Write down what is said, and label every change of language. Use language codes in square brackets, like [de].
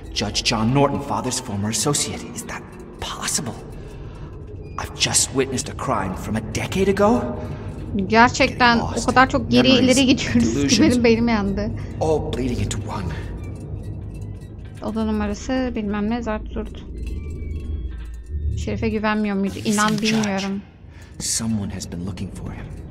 [en] Judge John Norton, father's former associate. Is that possible? I've just witnessed a crime from a decade ago. [tr] Gerçekten o kadar çok geri ileri gidiyoruz ki benim beynim yandı. [en] All bleeding into one. [tr] Oda numarası bilmem ne zart zurt. Şerife güvenmiyor muydu? İnan bilmiyorum. [en] Someone has been looking for him.